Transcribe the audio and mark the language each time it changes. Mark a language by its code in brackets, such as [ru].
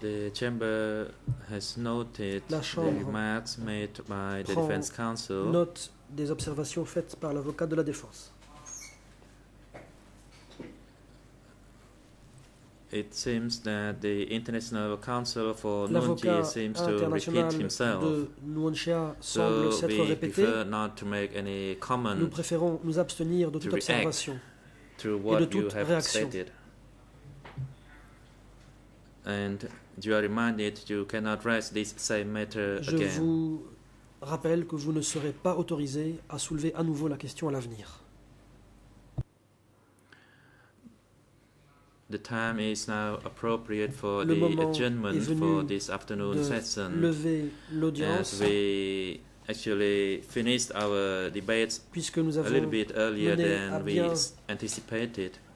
[en] The chamber has noted the remarks made by the defense counsel. [fr] Note des observations faites par l'avocat de la défense. [en] It seems that the international counsel for Nuancia seems to repeat himself. So we prefer not to make any comment. [fr] Nous préférons nous abstenir de toute observation et de toute réaction. [en] And you are reminded you cannot raise this same matter again. [fr] Je vous rappelle que vous ne serez pas autorisé à soulever à nouveau la question à l'avenir. [en] The time is now appropriate for the adjournment for this afternoon session. [fr] Lever l'audience. [en] As we actually finished our debates [fr] puisque nous avons [en] a little bit earlier than we anticipated.